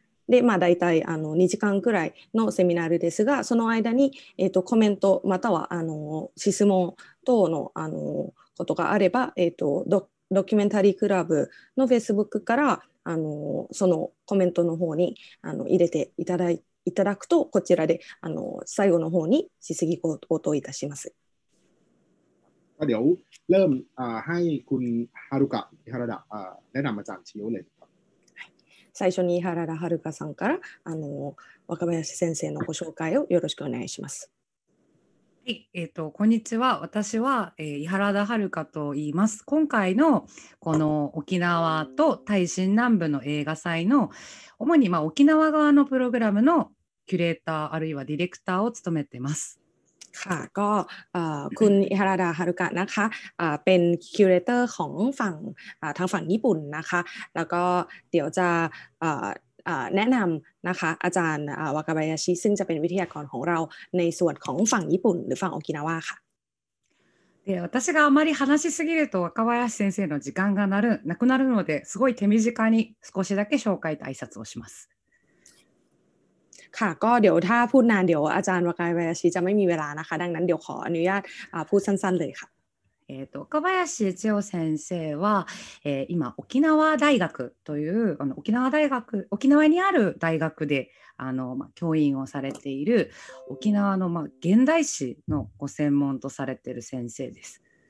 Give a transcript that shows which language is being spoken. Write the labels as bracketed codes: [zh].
[ja] で、まあ、大体あの2時間くらいのセミナールですが、その間に、コメントまたはあの質問等 の, あのことがあれば、ドキュメンタリークラブの Facebook からあのそのコメントの方にあの入れてい た, だ い, いただくと、こちらであの最後の方に質疑応答いたします。 [th] เดี๋ยวเริ่มให้คุณฮารุกะฮิฮาราดะแนะนำอาจารย์ชิโอเลยครับ [ja] 最初に ฮิฮาราดะ ฮารุกะさんからあの若林先生のご紹介をよろしくお願いします。はい、こんにちは。私は、ฮิฮาราดะ ฮารุกะと言います。今回のこの沖縄とタイ新南部の映画祭の主に、まあ、沖縄側のプログラムのキュレーターあるいはディレクターを務めています。 [th] ค่ะก็คุณฮิฮาราดะ ฮารุกะนะคะเป็นคิวเรเตอร์ของฝั่งทางฝั่งญี่ปุ่นนะคะแล้วก็เดี๋ยวจะแนะนำนะคะอาจารย์วากาบายาชิซึ่งจะเป็นวิทยากรของเราในส่วนของฝั่งญี่ปุ่นหรือฝั่งโอกินาวาค่ะ [ja] 私があまり話しすぎると若林先生の時間がなくなるのですごい手短に少しだけ紹介と挨拶をします。 [th] ค่ะก็เดี๋ยวถ้าพูดนานเดี๋ยวอาจารย์วากาบายาชิจะไม่มีเวลานะคะดังนั้นเดี๋ยวขออนุญาตพูดสั้นๆเลยค่ะ [ja] 若林一雄先生は、今沖縄大学というあの沖縄大学沖縄にある大学であの、ま、教員をされている沖縄の、ま、現代史のご専門とされている先生です。